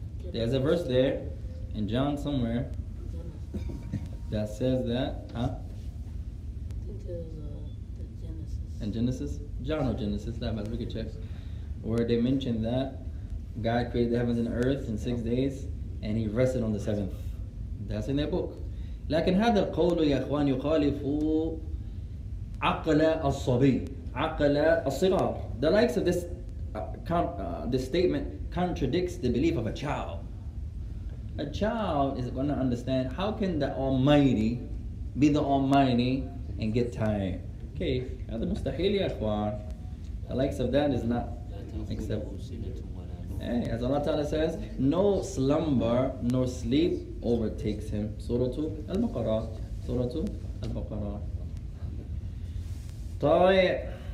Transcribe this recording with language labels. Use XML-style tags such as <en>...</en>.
<en>There's a verse there in John somewhere that says that, huh? I think it was the Genesis. In Genesis? John or Genesis, that but we could check. Where they mention that God created the heavens and the earth in 6 days and he rested on the seventh. That's in their book.</en> <ar>لكن هذا القول يا إخوان يخالف عقل الصبي عقل الصغار.</ar> <en>The likes of this this statement contradicts the belief of a child. A child is going to understand how can the Almighty be the Almighty and get tired. Okay,</en> <ar>هذا مستحيل يا إخوان.</ar> <en>The likes of that is not acceptable. Hey, as Allah Ta'ala says, no slumber nor sleep overtakes him. Surah Al-Baqarah. طيب.</en>